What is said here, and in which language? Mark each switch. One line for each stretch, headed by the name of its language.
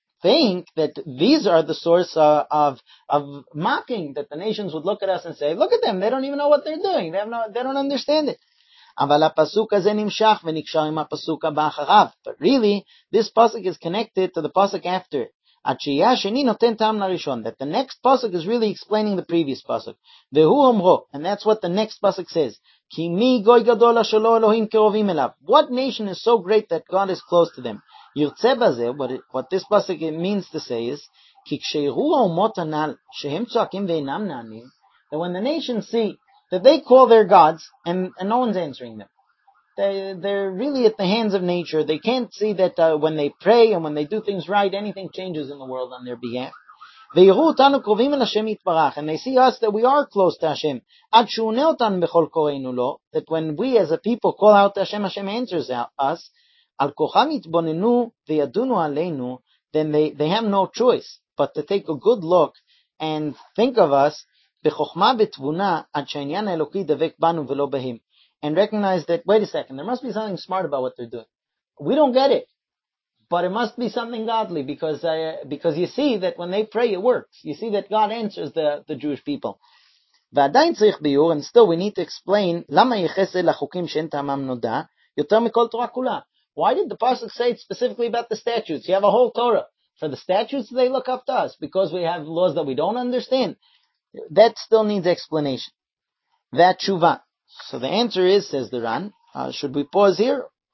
English: think that these are the source of mocking, that the nations would look at us and say, look at them, they don't even know what they're doing. They don't understand it.
Hebrew: אבל הפסוק הזה נמשך ונקשר עם הפסוק הבא אחריו.
English: But really, this pasuk is connected to the pasuk after it.
Hebrew: התשיעה השני נותן טעם לראשון,
English: that the next pasuk is really explaining the previous pasuk.
Hebrew: והוא אומרו,
English: and that's what the next pasuk says,
Hebrew: כי מי גוי גדול אשר לא אלוהים קרובים אליו?
English: What nation is so great that God is close to them?
Hebrew: ירצה בזה,
English: what this pasuk means to say is,
Hebrew: כי כשיראו האומות הנ"ל שהם צועקים ואינם נענים,
English: that when the nations see that they call their gods and no one's answering them. They're really at the hands of nature. They can't see that when they pray and when they do things right, anything changes in the world on their behalf.
Hebrew: ויראו אותנו קרובים אל השם יתברך,
English: and they see us that we are close to Hashem.
Hebrew: עד שעונה אותנו בכל קוראינו לו,
English: that when we as a people call out to Hashem, Hashem answers us.
Hebrew: על כוחם יתבוננו וידונו עלינו,
English: then they have no choice but to take a good look and think of us.
Hebrew: בחוכמה ותבונה עד שהעניין האלוקי דבק בנו ולא בהם.
English: And recognize that, wait a second, there must be something smart about what they're doing. We don't get it, but it must be something godly, because you see that when they pray, it works. You see that God answers the Jewish people.
Hebrew: ועדיין צריך ביור,
English: and still we need to explain,
Hebrew: למה יחסה לחוקים שאין טעמם נודע, יותר מכל תורה כולה.
English: Why did the pasuk say it specifically about the statutes? You have a whole Torah. For the statutes, they look up to us, because we have laws that we don't understand. That still needs explanation. That tshuva. So the answer is, says the Ran, should we pause here?